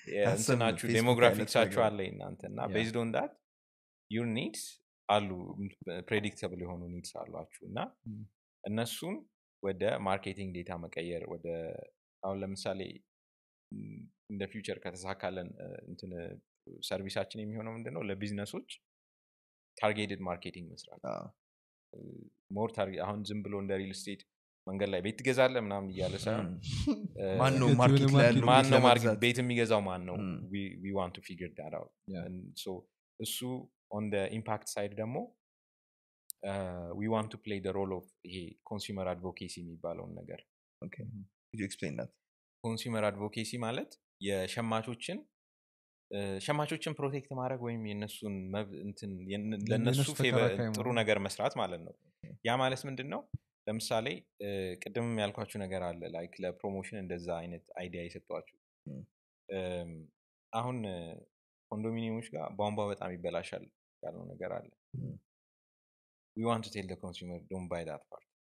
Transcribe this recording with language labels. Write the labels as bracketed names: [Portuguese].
[Amharic] እንትናችሁ ዴሞግራፊክሳችሁ አለ እናንተና [English] based on that your needs [Amharic] አሉ predictable የሆኑ needs አሏችሁና እነሱን ወደ ማርኬቲንግ ዴታ መቀየር ወደ አሁን ለምሳሌ [English] in the future [Amharic] ከተሳካለን እንትን ሰርቪሳችን የሚሆነው ምንድነው ለቢዝነሶች [English] targeted marketing [Amharic] መስራት more target አሁን ዝም ብሎ እንደ real estate መንገድ ላይ ቤት ገዛለ ምናምን ይያለ ሳይሆን ማን ነው ማርኬት ላይ ማን ነው ማርኬት ቤት የሚገዛው ማን ነው [English] we want to figure that out and so እሱ on the impact side ደግሞ we want to play the role of ይሄ consumer advocacy [Amharic] የሚባለውን ነገር [English] okay could you explain that [Amharic] consumer advocacy ማለት የሸማቾችን ፕሮቴክት ማድረግ ወይም የነሱን እንትን ለነሱ ፌቨሩ ነገር መስራት ማለት ነው ያ ማለት ምንድነው ለምሳሌ ቀደም ያልኳችሁ ነገር አለ ላይክ ለፕሮሞሽን እንደዛ አይነት አይዲያ ይሰጣችሁ አሁን ኮንዶሚኒየሞች ጋር ቧንቧ በጣም ይበላሻል ያለው ነገር አለ [English] we want to tell the consumer don't buy that part